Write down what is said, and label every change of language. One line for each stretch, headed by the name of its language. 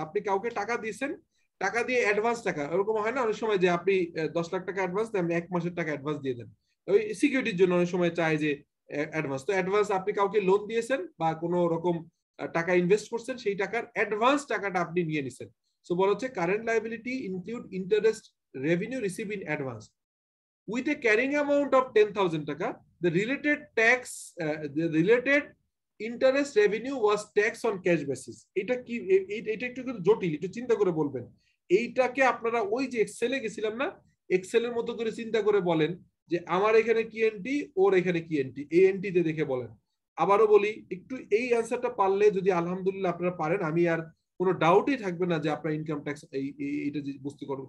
Bangla: আপনি কাউকে টাকা দিয়েছেন, টাকা দিয়ে অ্যাডভান্স টাকা, এরকম হয় না অনেক সময় যে আপনি 10 লাখ টাকা অ্যাডভান্স দেন, আপনি 1 মাসের টাকা অ্যাডভান্স দিয়ে দেন, ওই সিকিউরিটির জন্য অনেক সময় চায় যে অ্যাডভান্স। তো অ্যাডভান্স আপনি কাউকে লোন দিয়েছেন বা কোন রকম টাকা ইনভেস্ট করছেন, সেই টাকার অ্যাডভান্স টাকাটা আপনি নিয়ে নিছেন। সো বলা হচ্ছে
English: Current liability include interest revenue receive in advance with a carrying amount of 10,000 taka, the related tax, the related interest revenue was taxed on cash basis.
Bangla: এটা একটু জটিল, একটু চিন্তা করে বলবেন এইটাকে আপনারা। ওই যে এক্সেলে গেছিলাম না, এক্সেলের মতো করে চিন্তা করে বলেন যে আমার এখানে কি এনটি, ওর এখানে কি এনটি, এ এনটি তে দেখে বলেন। আবারও বলি একটু এই আনসারটা পারলে যদি আলহামদুলিল্লাহ আপনারা পারেন, আমি আর কোনো ডাউটই থাকবে না যে আপনার ইনকাম ট্যাক্স এইটা বুঝতে করব।